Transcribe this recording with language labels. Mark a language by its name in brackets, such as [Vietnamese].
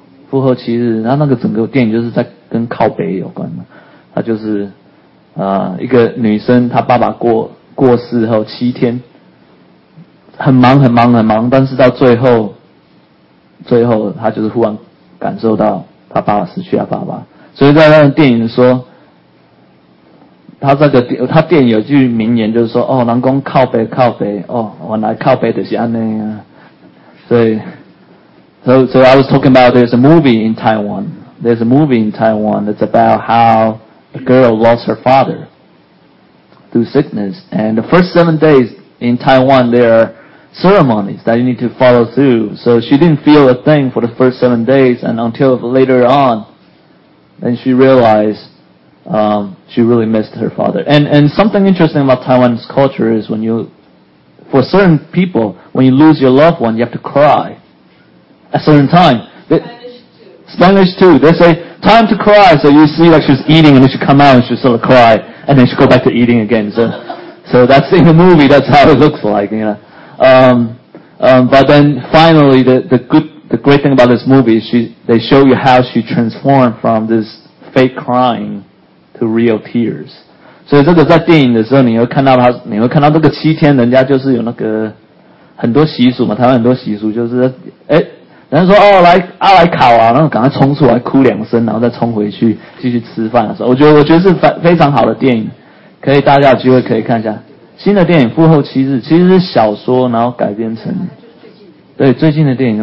[Chinese] 复后七日，然后那个整个电影就是在跟靠北有关的，他就是一个女生，她爸爸过世后七天很忙很忙很忙，但是到最后她就是忽然感受到她爸爸失去了爸爸。所以在那个电影说，他电影有句名言，就是说，哦，人说靠北靠北，哦，原来靠北就是这样啊。 [English] 所以 I was talking about there's a movie in Taiwan. There's a movie in Taiwan that's about how a girl lost her father through sickness. And the first 7 days in Taiwan, there are ceremonies that you need to follow through. So she didn't feel a thing for the first 7 days, and until later on, then she realized she really missed her father. And something interesting about Taiwan's culture is for certain people, when you lose your loved one, you have to cry at a certain time. Spanish too. They say, time to cry. So you see, like, she's eating and then she come out and she sort of cry and then she go back to eating again. So that's in the movie, that's how it looks like, you know. But then finally, the great thing about this movie is they show you how she transformed from this fake crying to real tears. [Chinese] 所以这个在电影的时候你会看到这个七天人家就是有那个很多习俗嘛，台湾很多习俗就是人家说哦来啊来烤啊，然后赶快冲出来哭两声，然后再冲回去继续吃饭的时候。我觉得是非常好的电影，可以大家有机会可以看一下新的电影复后七日，其实是小说然后改编成对最近的电影。